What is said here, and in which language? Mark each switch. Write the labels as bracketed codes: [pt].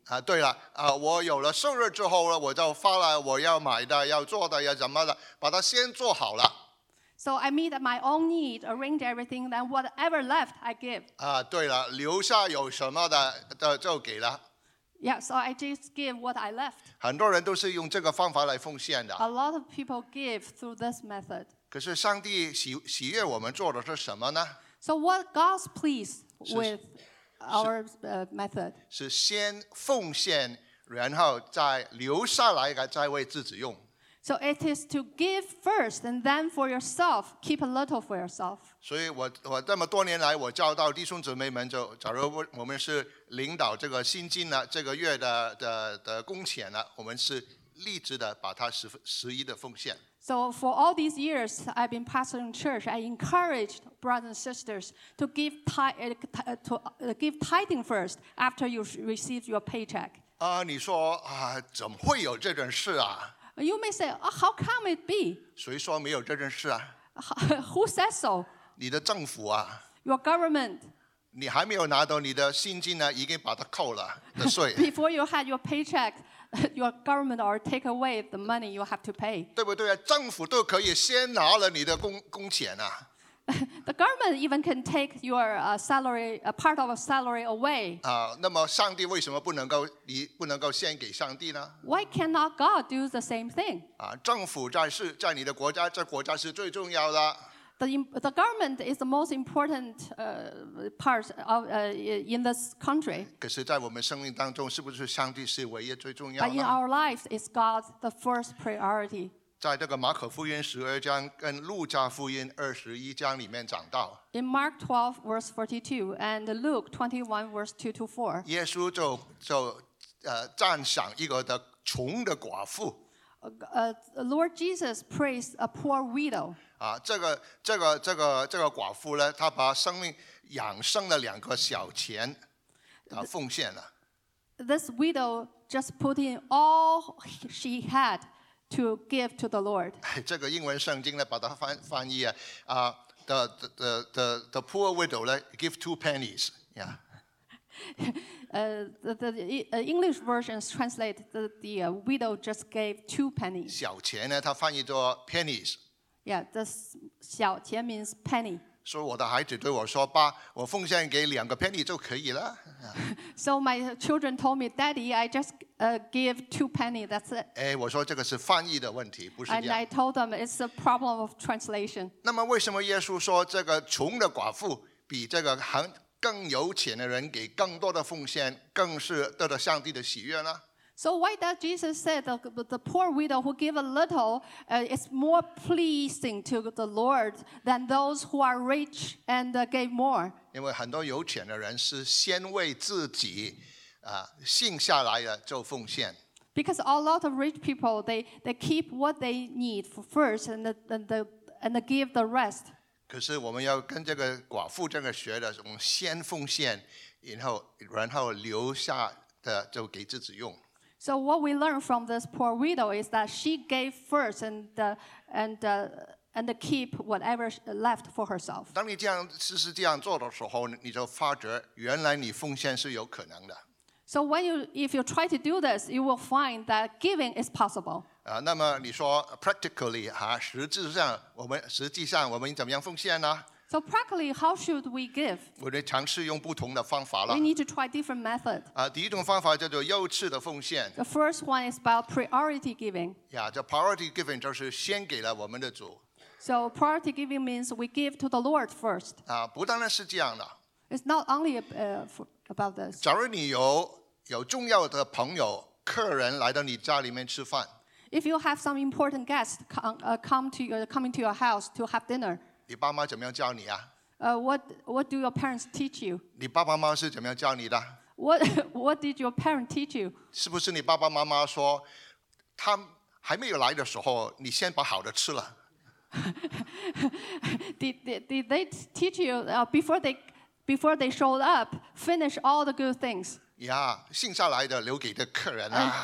[zh] 啊，对了，啊，我有了生日之后呢，我就发了我要买的、要做的、要什么的，把它先做好了。 [en] So I meet my own need, arrange everything, then whatever left I give. [zh] 啊，对了，留下有什么的就给了。 [en] Yeah, so I just give what I left. [zh] 很多人都是用这个方法来奉献的。 [en] A lot of people give through this method. [zh] 可是上帝喜悦我们做的是什么呢？ [en] So what God's pleased with? Our method [zh] 是先奉献，然后再留下来，再为自己用。 [en] So it is to give first, and then for yourself, keep a little for yourself. [zh] 所以我这么多年来，我教导弟兄姊妹们，就假如我们是领导这个薪金呢，这个月的工钱呢，我们是立志的把它十一的奉献。 [en] So for all these years, I've been pastoring church. I encouraged brothers and sisters to give tithing first after you receive your paycheck. [zh] 啊，你说啊，怎么会有这件事啊 [en] ？You may say, "How come it be?" [zh] 谁说没有这件事啊 [en] ？Who says so? [zh] 你的政府啊 [en] ？Your government. [zh] 你还没有拿到你的薪金呢，已经把它扣了的税。 [en] Before you had your paycheck. Your government or take away the money you have to pay. [zh] 对不对？政府都可以先拿了你的工钱啊。 [en] The government even can take your salary, a part of a salary away. [zh] 啊，那么上帝为什么不能够先给上帝呢 [en] ？Why cannot God do the same thing? [zh] 啊，政府在你的国家，这国家是最重要的。 [en] The government is the most important part of in this country. [zh] 可是在我们生命当中，是不是上帝是唯一最重要的 [en] ？But in our lives, is God the first priority? [zh] 在这个马可福音十二章跟路加福音二十一章里面讲到。 [en] In Mark 12 verse 42 and Luke 21 verse 2 to 4. [zh] 耶稣就赞赏一个的穷的寡妇。 [en] Lord Jesus praised a poor widow. [zh] 啊，这个寡妇呢，她把生命养生的两个小钱，她奉献了。 [en] This widow just put in all she had to give to the Lord. [zh] 这个英文圣经呢，把它翻译啊， [en] the poor widow [zh] 呢 [en] give two pennies, yeah. The English version translates that the widow just gave two pennies. [zh] 小钱呢，它翻译作 pennies. [en] Yeah, the 小钱 means penny. [zh] 所以我的孩子对我说：“爸，我奉献给两个 penny 就可以了。” [en] So my children told me, "Daddy, I just give two pennies. That's it. [zh] 哎，我说这个是翻译的问题，不是这样。 [en] And I told them it's a problem of translation. [zh] 那么为什么耶稣说这个穷的寡妇比这个更有钱的人给更多的奉献，更是得到上帝的喜悦呢？ [en] So why does Jesus say the poor widow who give a little is more pleasing to the Lord than those who are rich and gave more? [zh] 因为很多有钱的人是先为自己信下来的就奉献。 [en] Because a lot of rich people they keep what they need for first and give the rest. [zh] 可是我们要跟这个寡妇这个学的，我们先奉献，然后留下的就给自己用。 [en] So what we learn from this poor widow is that she gave first and keep whatever left for herself. [zh] 当你这样实施这样做的时候，你就发觉原来你奉献是有可能的。 [en] So when you if you try to do this, you will find that giving is possible. [zh] 那么你说 practically 哈，实际上我们怎么样奉献呢？ [en] So practically, how should we give? [zh] 我们尝试用不同的方法了。 [en] We need to try different methods. [zh] 第一种方法叫做优次的奉献。 [en] The first one is about priority giving. [zh] Yeah, 叫 priority giving 就是先给了我们的主。 [en] So priority giving means we give to the Lord first. [zh] 不单单是这样的。 [en] It's not only about this. [zh] 假如你有重要的朋友、客人来到你家里面吃饭。 [en] If you have some important guests coming to your house to have dinner. [zh] 你爸妈怎么样教你啊？ [en] What do your parents teach you? [zh] 你爸爸妈妈是怎么样教你的？ [en] What did your parents teach you? [zh] 是不是你爸爸妈妈说，他还没有来的时候，你先把好的吃了？ [en] did they teach you before they showed up, finish all the good things? [zh] Yeah, 剩下来的留给的客人啊。